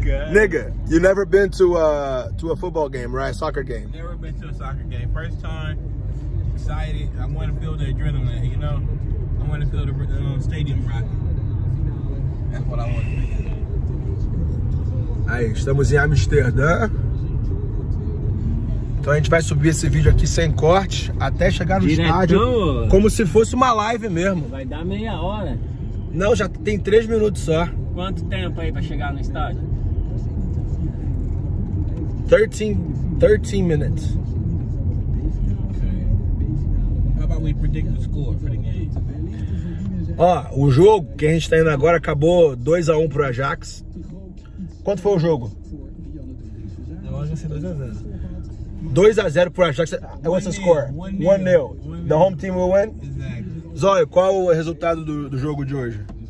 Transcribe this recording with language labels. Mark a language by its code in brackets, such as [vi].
[en] Nigga, you never been to a football game, right? Soccer game. Never been to a soccer game. First time, excited. I want to feel the adrenaline, you know? I want to feel the stadium rocking. That's what I want to feel. [pt] Aí, estamos em Amsterdã. Então a gente vai subir esse vídeo aqui sem corte até chegar no estádio. Como se fosse uma live mesmo. Vai dar meia hora. Não, já tem 3 minutos só. Quanto tempo aí pra chegar no estádio? [en] 13 minutes. Okay. How about we predict the score for the game? [pt] Ó, o jogo que a gente tá indo agora acabou 2-1 pro Ajax. Quanto foi o jogo? Eu acho que vai ser 2-0 pro Ajax. [en] What's the score? 1-0. The home team will win? Exactly. [pt] Zóio, qual o resultado do jogo de hoje?